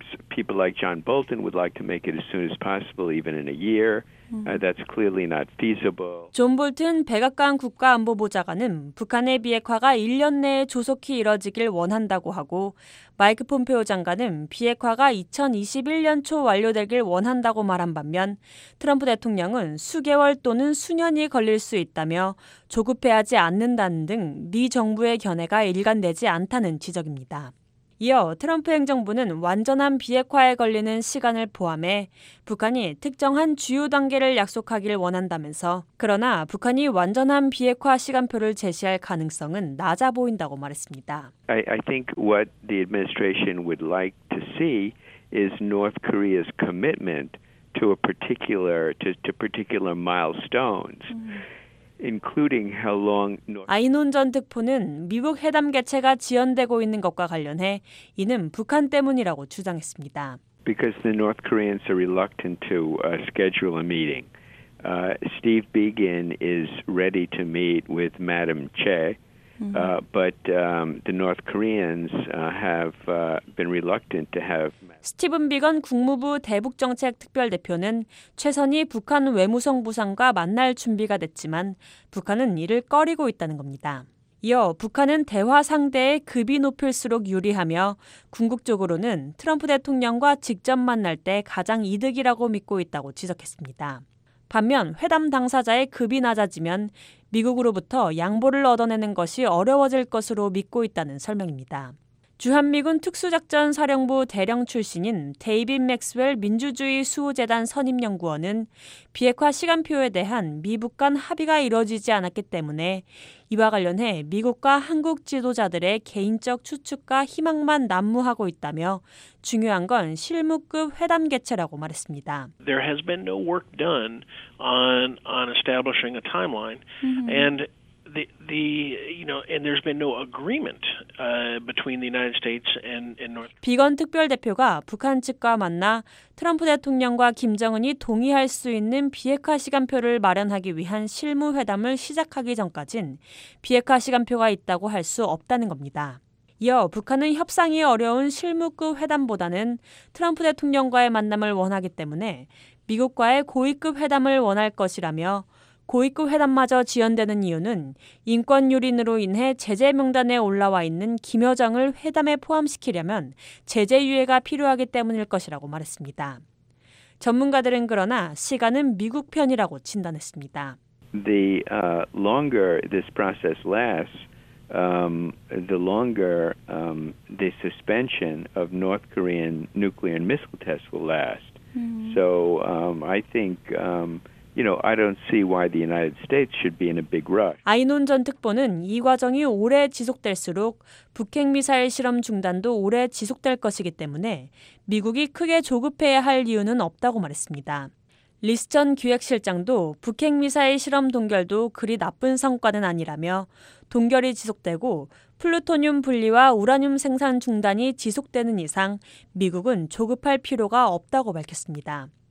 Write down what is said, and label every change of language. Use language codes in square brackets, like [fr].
[en] People like John Bolton would like to make it as soon as possible, even in a year. That's clearly not feasible. [ko] 존 볼튼 백악관 국가안보보좌관은 북한의 비핵화가 1년 내에 조속히 이뤄지길 원한다고 하고 마이크 폼페오 장관은 비핵화가 2021년 초 완료되길 원한다고 말한 반면 트럼프 대통령은 수개월 또는 수년이 걸릴 수 있다며 조급해하지 않는다는 등 미 정부의 견해가 일관되지 않다는 지적입니다. 이어 트럼프 행정부는 완전한 비핵화에 걸리는 시간을 포함해 북한이 특정한 주요 단계를 약속하길 원한다면서 그러나 북한이 완전한 비핵화 시간표를 제시할 가능성은 낮아 보인다고 말했습니다. [en] I think what the administration would like to see is North Korea's commitment to a particular to particular milestones. Including how long [ko] 아이논 전 특보는 미국 회담 개최가 지연되고 있는 것과 관련해 이는 북한 때문이라고 주장했습니다. [en] Because the North Koreans are reluctant to schedule a meeting. Steve Biegun is ready to meet with Madam Che, but the North Koreans have been reluctant to have. [ko] 스티븐 비건 국무부 대북정책특별대표는 최선이 북한 외무성 부상과 만날 준비가 됐지만 북한은 이를 꺼리고 있다는 겁니다. 이어 북한은 대화 상대의 급이 높을수록 유리하며 궁극적으로는 트럼프 대통령과 직접 만날 때 가장 이득이라고 믿고 있다고 지적했습니다. 반면 회담 당사자의 급이 낮아지면 미국으로부터 양보를 얻어내는 것이 어려워질 것으로 믿고 있다는 설명입니다. 주한미군 특수작전사령부 대령 출신인 데이빗 맥스웰 민주주의 수호재단 선임연구원은 비핵화 시간표에 대한 미북 간 합의가 이뤄지지 않았기 때문에 이와 관련해 미국과 한국 지도자들의 개인적 추측과 희망만 난무하고 있다며 중요한 건 실무급 회담 개최라고 말했습니다. [en] There has been no work done on establishing a timeline. And And there's been no agreement between the United States and North. [ko] 비건 특별 대표가 북한 측과 만나 트럼프 대통령과 김정은이 동의할 수 있는 비핵화 시간표를 마련하기 위한 실무 회담을 시작하기 전까진 비핵화 시간표가 있다고 할 수 없다는 겁니다. 이어 북한은 협상이 어려운 실무급 회담보다는 트럼프 대통령과의 만남을 원하기 때문에 미국과의 고위급 회담을 원할 것이라며. 고위급 회담마저 지연되는 이유는 인권 유린으로 인해 제재 명단에 올라와 있는 김여정을 회담에 포함시키려면 제재 유예가 필요하기 때문일 것이라고 말했습니다. 전문가들은 그러나 시간은 미국 편이라고 진단했습니다. [en] The longer this process lasts, the longer the suspension of North Korean nuclear and missile tests will last. So I think. I don't see why the United States should be in a big rush. [ko] 아이논 전 특보는 이 과정이 오래 지속될수록 북핵 미사일 실험 중단도 오래 지속될 것이기 때문에 미국이 크게 조급해야 할 이유는 없다고 말했습니다. 리스 전 기획실장도 북핵 미사일 실험 동결도 그리 나쁜 성과는 아니라며 동결이 지속되고 플루토늄 분리와 우라늄 생산 중단이 지속되는 이상 미국은 조급할 필요가 없다고 밝혔습니다.